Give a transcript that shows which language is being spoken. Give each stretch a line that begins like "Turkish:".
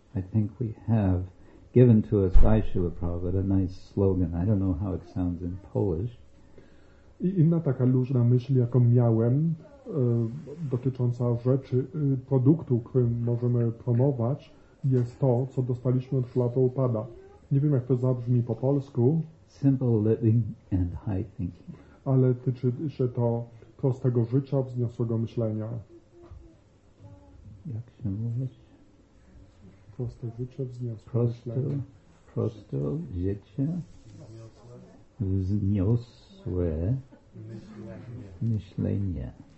English: I think we have given to us by Srila Prabhupada a nice slogan. I don't know how it sounds in Polish.
Polish: I inna taka luźna myśl, jaką miałem, dotycząca rzeczy, produktu, którym możemy promować, jest to, co dostaliśmy od Srila Prabhupada. Nie wiem, jak to zabrzmi po polsku.
English: simple living and high thinking.
Polish: Ale tyczy się to prostego życia, wzniosłego myślenia. Jak się mówi? Proste życie, wzniosłe proste, myślenie. Proste życie, wzniosłe myślenie.